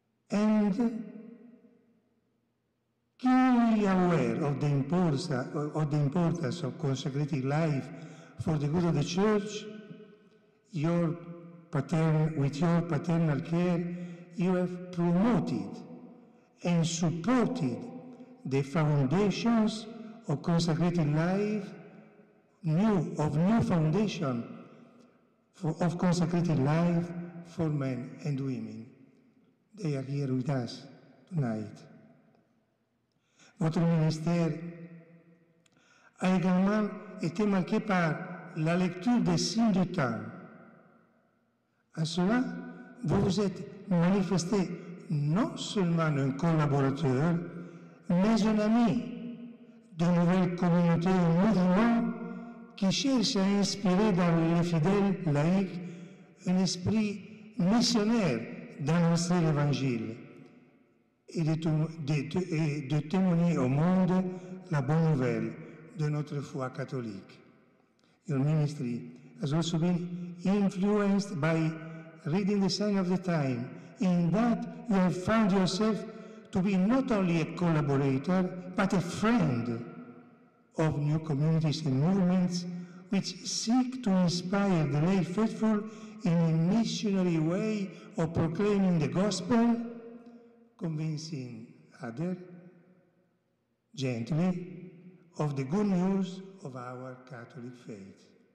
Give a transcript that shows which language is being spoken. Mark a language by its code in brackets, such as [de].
[en] And keenly aware of the importance of consecrated life for the good of the Church, with your paternal care, you have promoted and supported the foundations of consecrated life, new foundation of consecrated life for men and women. They are here with us tonight. [fr] Votre ministère a également été marqué par la lecture des signes du temps. À cela, vous vous êtes manifesté non seulement un collaborateur, mais un ami de nouvelles communautés et mouvements qui cherchent à inspirer dans les fidèles laïcs un esprit missionnaire d'annoncer l'Évangile et de témoigner au monde la bonne nouvelle de notre foi catholique. [en] Your ministry has also been influenced by reading the sign of the time. In that, you have found yourself to be not only a collaborator, but a friend of new communities and movements which seek to inspire the lay faithful in a missionary way of proclaiming the gospel, convincing others gently of the good news of our Catholic faith.